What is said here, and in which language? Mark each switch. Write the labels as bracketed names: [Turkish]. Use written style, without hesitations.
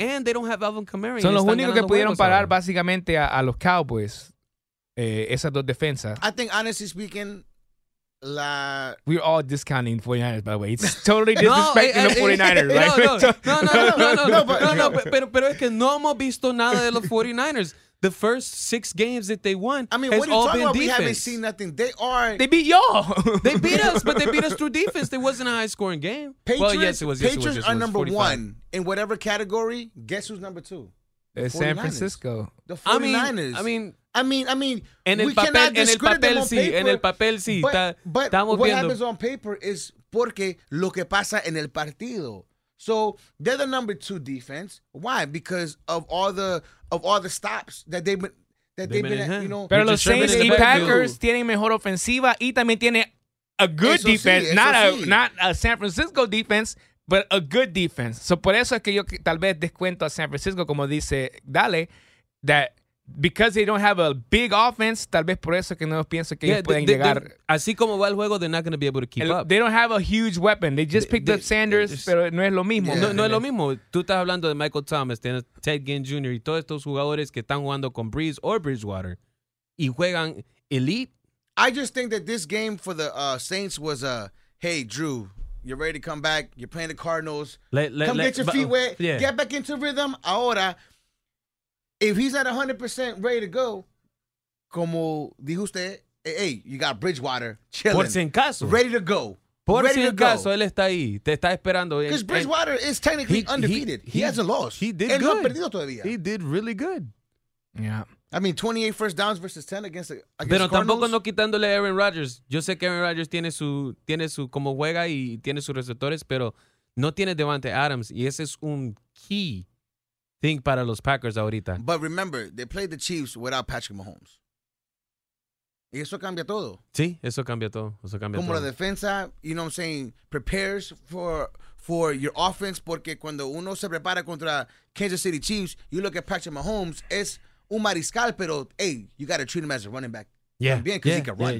[English] And they don't have Alvin Kamara. [Spanish] Son los únicos que pudieron parar básicamente a los Cowboys, esas dos defensas. [English] I think, honestly speaking... We're all discounting 49ers, by the way. It's totally disrespecting the 49ers, right? No. [Spanish] Pero es que no hemos visto nada de los 49ers. [English] The first six games that they won has all been defense. I mean, what are you talking about? Defense. We haven't seen nothing. They beat y'all. They beat us, but they beat us through defense. It wasn't a high-scoring game. Patriots are number 45. One in whatever category. Guess who's number two? It's San Francisco. The 49ers. I mean, [Spanish] en el papel, [English] we cannot discredit them on [Spanish] sí, [English] paper. [Spanish] En el papel, sí. [English] But what happens on paper is [Spanish] porque lo que pasa en el partido. [English] So they're the number two defense. Why? Because of all the stops that they've been you know. [Spanish] Pero los Saints y Packers tienen mejor ofensiva y también tienen [English] a good [Spanish] eso [English] defense. [Spanish] Sí, [English] not a San Francisco defense, but a good defense. [Spanish] So por eso es que yo tal vez descuento a San Francisco, como dice Dale, that... [English] Because they don't have a big offense, [Spanish] tal vez por eso que no pienso que ellos pueden llegar. Así como va el juego, [English] they're not going to be able to keep up. They don't have a huge weapon. They just picked up Sanders, [Spanish] pero no es lo mismo. Yeah. No es lo mismo. Tú estás hablando de Michael Thomas, de Ted Ginn Jr. y todos estos jugadores que están jugando con Breeze or Bridgewater y juegan elite. [English] I just think that this game for the Saints was a, hey, Drew, you're ready to come back. You're playing the Cardinals. Get your feet wet. Yeah. Get back into rhythm. Ahora... If he's at 100% ready to go, [Spanish] como dijo usted, [English] hey, you got Bridgewater chilling. [Spanish] Por si en caso. [English] Ready to go. [Spanish] Él está ahí. Te está esperando. [English] Because Bridgewater is technically undefeated. He hasn't lost. He did [Spanish] él [English] good. [Spanish] No ha perdido todavía. [English] He did really good. Yeah. I mean, 28 first downs versus 10 against [Spanish] Pero Cardinals. Tampoco no quitándole a Aaron Rodgers. Yo sé que Aaron Rodgers tiene su como juega y tiene sus receptores, pero no tiene Devante Adams. Y ese es un key think para los Packers ahorita. [English] But remember, they played the Chiefs without Patrick Mahomes. [Spanish] Y eso cambia todo. Sí, eso cambia todo. Eso cambia como todo. La defensa, [English] you know what I'm saying, prepares for your offense [Spanish] porque cuando uno se prepara contra [English] Kansas City Chiefs, you look at Patrick Mahomes, [Spanish] es un mariscal, pero [English] hey, you got to treat him as a running back. Yeah. También, because he can run.